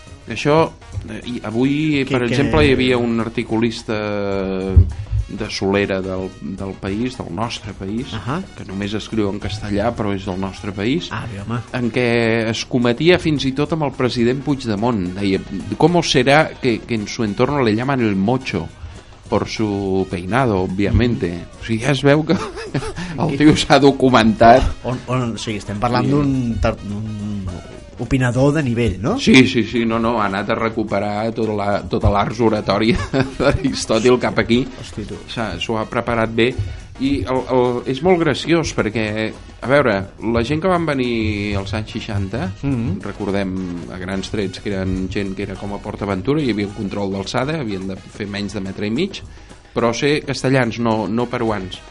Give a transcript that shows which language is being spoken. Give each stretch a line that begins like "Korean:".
Catalan: Això, avui, per exemple, hi havia un articulista de Solera del país, del nostre país, que només escriu en castellà, però és del nostre país, en què es cometia fins i tot amb el president Puigdemont.
Spanish: Deia, ¿cómo será que en su entorno le llaman el mocho? Por su peinado, obviamente.
Catalan: O sigui, ja es veu que el tio s'ha documentat. Sí, estem parlant d'un... opinador de nivell, no? Sí, sí, sí, no, ha anat a recuperar tota l'ars oratòria d'Aristòtil cap aquí. S'ho ha preparat bé. I és molt graciós perquè, a veure, la gent que van venir als anys 60, recordem a grans trets que eren gent que era com a PortAventura, hi havia un control d'alçada, havien de fer menys de metre i mig, però ser castellans, no peruans.